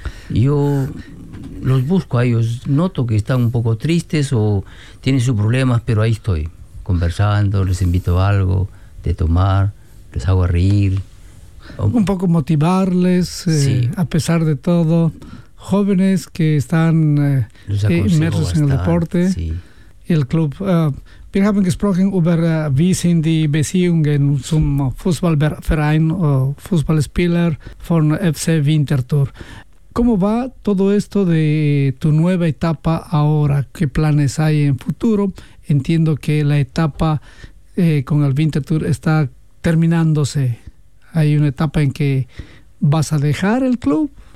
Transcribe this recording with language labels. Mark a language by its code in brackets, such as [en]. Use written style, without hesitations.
[es] Yo los busco a ellos, noto que están un poco tristes o tienen sus problemas, pero ahí estoy, conversando, les invito a algo de tomar, les hago reír. Un poco motivarles, sí. A pesar de todo. Jóvenes que están inmersos en el deporte. Sí. El club. [de] Wir haben gesprochen über wie sind die Beziehungen zum Fußballverein o Fußballspieler von FC Winterthur. [es] ¿Cómo va todo esto de tu nueva etapa ahora? ¿Qué planes hay en futuro? Entiendo que la etapa con el Winterthur está terminándose. ¿Hay una etapa en que vas a dejar el club?